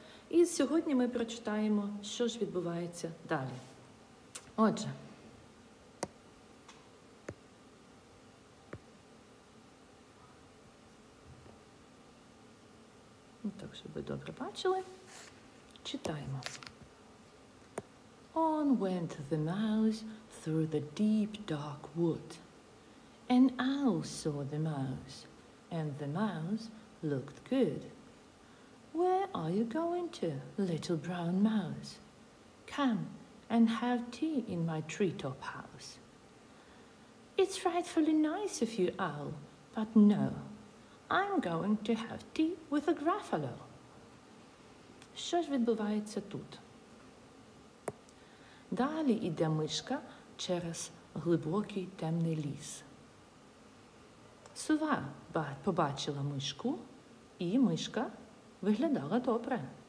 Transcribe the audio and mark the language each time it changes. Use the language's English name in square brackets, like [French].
[Ukrainian] І сьогодні ми прочитаємо, що ж відбувається далі. Отже. Ну, так, щоб ви добре бачили. Читаємо. [English] On went the mouse through the deep dark wood. An owl saw the mouse, and the mouse looked good. Where are you going to, little brown mouse? Come and have tea in my treetop house. It's frightfully nice of you, owl, but no, I'm going to have tea with a Gruffalo. [Ukrainian] Що ж відбувається тут? Далі йде мишка через глибокий темний ліс. Сова побачила мишку, і мишка виглядала добре.